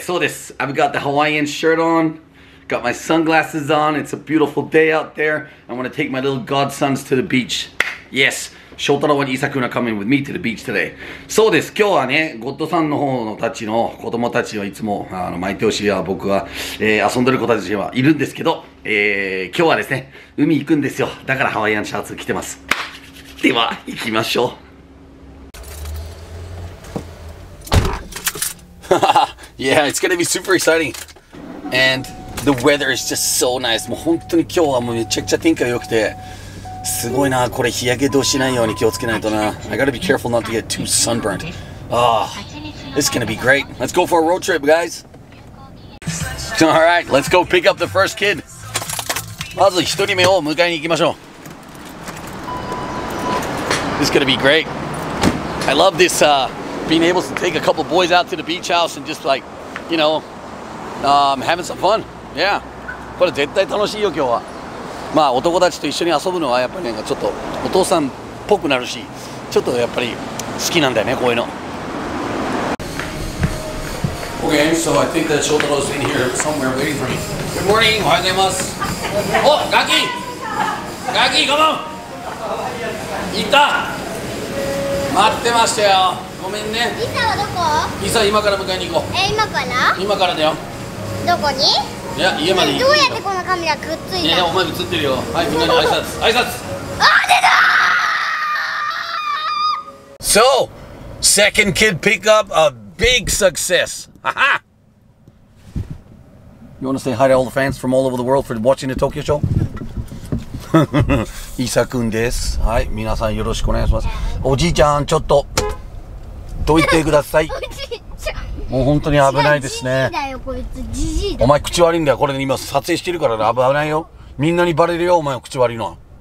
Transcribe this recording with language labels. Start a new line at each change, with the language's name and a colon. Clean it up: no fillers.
English: So this, I've got the Hawaiian shirt on, got my sunglasses on. It's a beautiful day out there. I'm going to take my little godsons to the beach. Yes, Shotaro and Isakun are coming with me to the beach today. So this,
Japanese: 今日はね、ゴッドさんの方のたちの子供たちはいつも、毎年は僕は、遊んでる子たちはいるんですけど、今日はですね、海行くんですよ。だからハワイアンシャツ着てます。では行きましょう。
English: Yeah, it's gonna be super exciting. And the weather is just so nice.
Japanese: もう本当に今日はもうめちゃくちゃ天気が良くてすごいな。これ日焼けどうしないように気をつけないとな。
English: I gotta be careful not to get too sunburned. Ah, it's gonna be great. Let's go for a road trip, guys. All right, let's go pick up the first kid.
Japanese: まず一人目を迎えに行きましょう。
English: This is going to be great. I love this, being able to take a couple boys out to the beach house and just like, you know, having some fun. Yeah.
Japanese: これ絶対楽しいよ、今日は。まあ、男たちと一緒に遊ぶのはやっぱりなんかちょっとお父さんっぽくなるし、ちょっとやっぱり好きなんだよね、こういうの。
English: Okay, so I think that Shotaro's in here somewhere waiting for me. Good morning.
Japanese: おはようございます。お、ガキ！ガキ、
English: come on!
Japanese: いた待ってましたよ。ごめんね。イサはどこ？イサ今から迎えに行こう。今から？今からだよ。どこに？いや、家まで行く。どうやってこのカメラくっついた？いや、お前映ってるよ。はい、みんなに挨拶。挨拶。あ、出た
English: ー！ So, second kid pick up a big success. Haha! You wanna say hi to all the fans from all over the world for watching the Tokyo show?
Japanese: イサくんです。はい、皆さんよろしくお願いします。おじいちゃん、ちょっと、どいてください。おじいちゃん。もう本当に危ないですね。ジジイだよ、こいつ。ジジイだ。お前、口悪いんだよ。これ今撮影してるから危ないよ。みんなにバレるよ、お前、口悪いのは。